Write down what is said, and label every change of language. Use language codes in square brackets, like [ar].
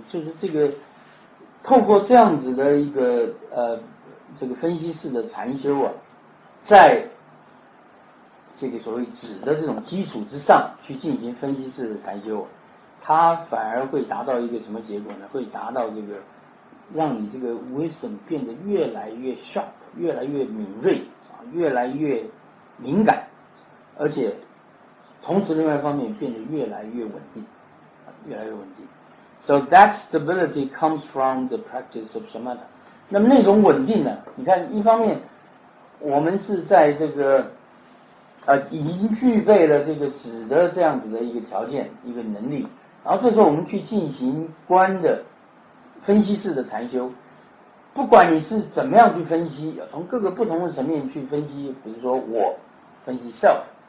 [zh] 就是这个透过这样子的一个这个分析式的禅修啊，在这个所谓止的这种基础之上去进行分析式的禅修、啊，它反而会达到一个什么结果呢？会达到这个让你这个 wisdom 变得越来越 sharp， 越来越敏锐啊，越来越敏感。而且同时另外一方面变得越来越稳定，越来越稳定。 [en] So that stability comes from the practice of samatha。 [zh] 那么那种稳定呢，你看一方面我们是在这个已经具备了这个止的这样子的一个条件一个能力，然后这时候我们去进行观的分析式的禅修，不管你是怎么样去分析，从各个不同的层面去分析，比如说我分析 self，